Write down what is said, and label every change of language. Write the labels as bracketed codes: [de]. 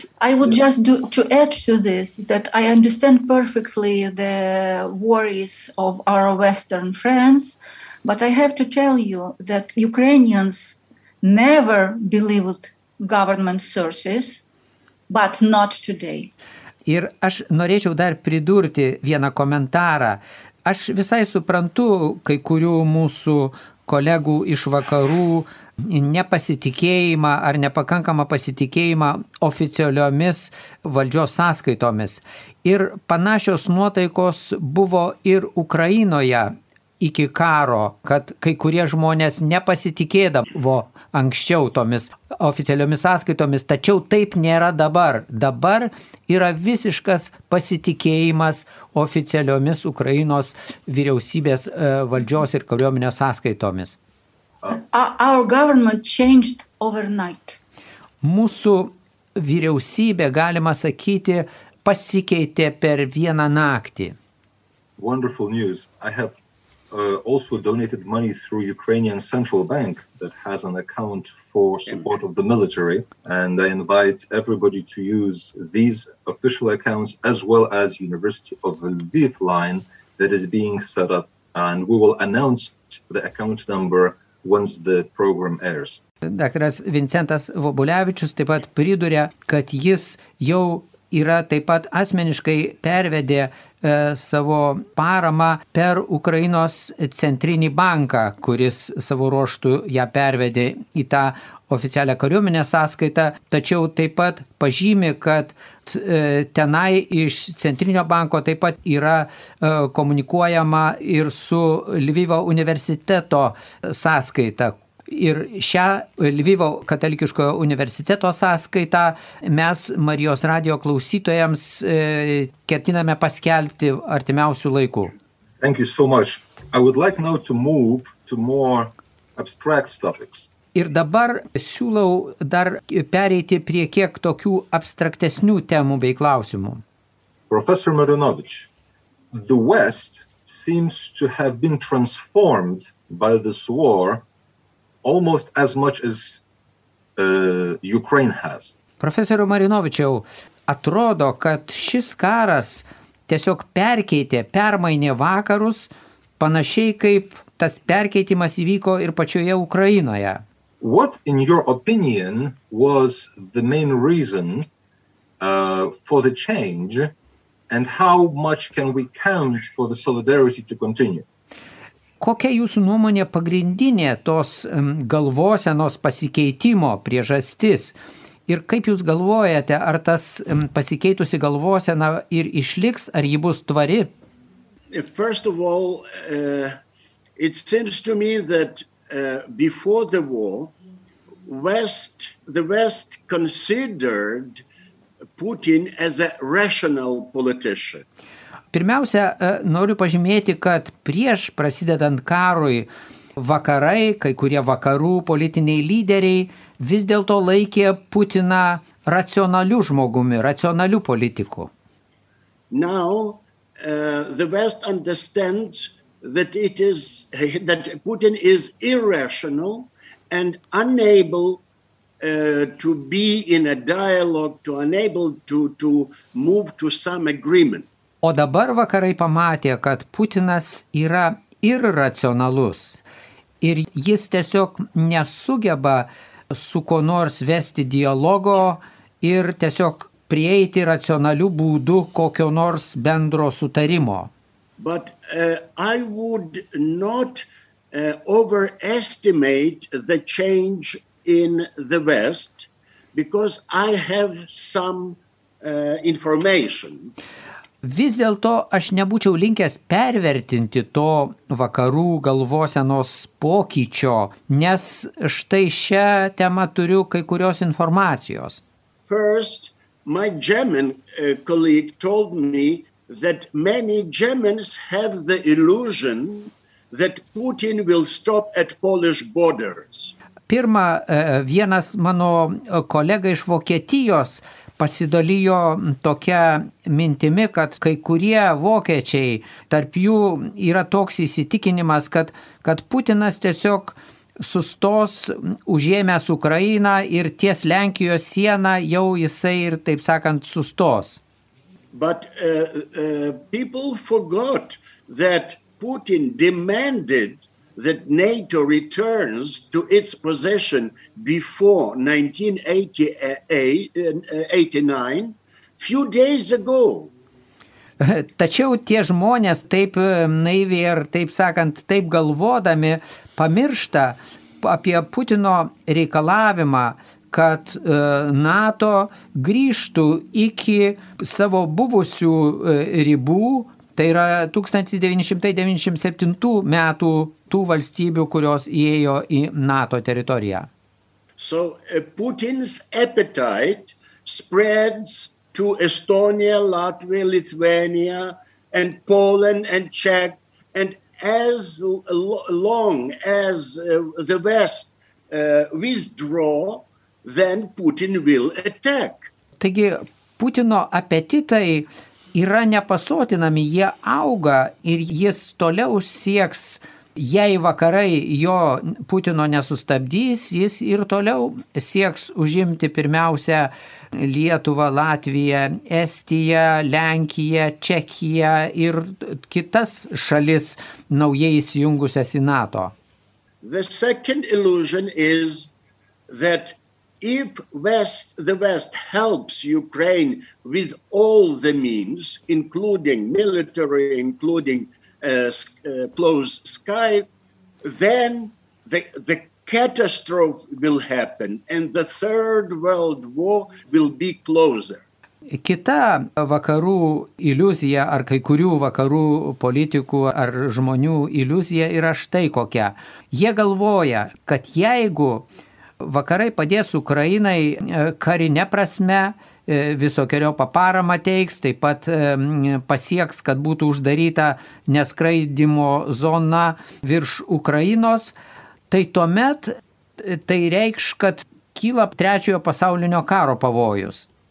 [en] I would just add to this that I understand perfectly the worries of our Western friends, but I have to tell you that Ukrainians never believed government sources, but not today. [lt] Ir aš norėčiau dar pridurti vieną komentarą. Aš visai suprantu kai kurių mūsų kolegų iš vakarų nepasitikėjimą ar nepakankamą pasitikėjimą oficialiomis valdžios sąskaitomis. Ir panašios nuotaikos buvo ir Ukrainoje iki karo, kad kai kurie žmonės nepasitikėdavo anksčiau tomis oficialiomis sąskaitomis, tačiau taip nėra dabar. Dabar yra visiškas pasitikėjimas oficialiomis Ukrainos vyriausybės valdžios ir kariuomenės sąskaitomis. [en] Our government changed overnight. [lt] Mūsų vyriausybė, galima sakyti, pasikeitė per vieną naktį. [en] Wonderful news. I have also donated money through Ukrainian Central Bank that has an account for support of the military, and I invite everybody to use these official accounts as well as University of Lviv line that is being set up, and we will announce the account number once the program airs. [lt] Daktaras Vincentas Vobulevičius taip pat priduria, kad jis jau yra taip pat asmeniškai pervedė savo paramą per Ukrainos centrinį banką, kuris savo ruoštų ją pervedė į tą oficialią kariuomenę sąskaitą, tačiau taip pat pažymi, kad tenai iš centrinio banko taip pat yra komunikuojama ir su Lvivo universiteto sąskaita. Ir šią Lvivo katalikiškojo universiteto sąskaitą mes Marijos radio klausytojams ketiname paskelbti artimiausių laikų. [en] Thank you so much. I would like now to move to more abstract topics. [lt] Ir dabar siūlau dar pereiti prie kiek tokių abstraktesnių temų bei klausimų. [en] Professor Marinovic, the West seems to have been transformed by this war almost as much as Ukraine has. [lt] Profesoriu Marinovičiau, atrodo, kad šis karas tiesiog perkeitė, permainė vakarus, panašiai kaip tas perkeitimas įvyko ir pačioje Ukrainoje. [en] What, in your opinion, was the main reason for the change, and how much can we count for the solidarity to continue? [lt] Kokia jūsų nuomonė pagrindinė tos galvosenos pasikeitimo priežastis Ir kaip jūs galvojate, ar tas pasikeitusi galvosena ir išliks, ar ji bus tvari? [en] First of all, it seems to me that before the war, the West considered Putin as a rational politician. [lt] Pirmiausia, noriu pažymėti, kad prieš prasidedant karui vakarai, kai kurie vakarų politiniai lyderiai vis dėlto laikė Putiną racionaliu žmogumi, racionaliu politiku. [en] Now, the West understands that Putin is irrational and unable to be in a dialogue, to unable to move to some agreement. [lt] O dabar vakarai pamatė, kad Putinas yra irracionalus ir jis tiesiog nesugeba su kuo nors vesti dialogo ir tiesiog prieiti racionaliu būdu kokio nors bendro sutarimo. [en] But I would not overestimate the change in the West because I have some information. [lt] Vis dėlto aš nebūčiau linkęs pervertinti to vakarų galvosenos pokyčio, nes štai šią temą turiu kai kurios informacijos. [en] First, my German colleague told me that many Germans have the illusion that Putin will stop at Polish borders. [lt] Pirma, vienas mano kolega iš Vokietijos pasidalijo tokia mintimi, kad kai kurie vokiečiai, tarp jų yra toks įsitikinimas, kad Putinas tiesiog sustos užėmęs Ukrainą ir ties Lenkijos sieną jau jisai ir, taip sakant, sustos. [en] But people forgot that Putin demanded that NATO returns to its position before 1989, few days ago. [lt] Tačiau tie žmonės taip naiviai ir, taip sakant, taip galvodami pamiršta apie Putino reikalavimą, kad NATO grįžtų iki savo buvusių ribų, tai yra 1997 metų tų valstybių, kurios įėjo į NATO teritoriją. [en] So Putin's appetite spreads to Estonia, Latvia, Lithuania and Poland and Czech, and as long as the West withdraw, then Putin will attack. [lt] Taigi Putino apetitai yra nepasotinami, jie auga ir jis toliau sieks, jei vakarai jo Putino nesustabdys, jis ir toliau sieks užimti pirmiausia Lietuvą, Latviją, Estiją, Lenkiją, Čekiją ir kitas šalis naujai įsijungusias į NATO. [en] The second illusion is that if the West helps Ukraine with all the means, including military, including close sky, then the catastrophe will happen and the Third World War will be closer. [lt] Kita vakarų iliuzija ar kai kurių vakarų politikų ar žmonių iliuzija yra štai kokia. Jie galvoja, kad jeigu vakarai padės Ukrainai karinė prasme, visokerio paparamą teiks, taip pat pasieks, kad būtų uždaryta neskraidimo zona virš Ukrainos, tai tuomet tai reikš, kad kyla trečiojo pasaulinio karo pavojus.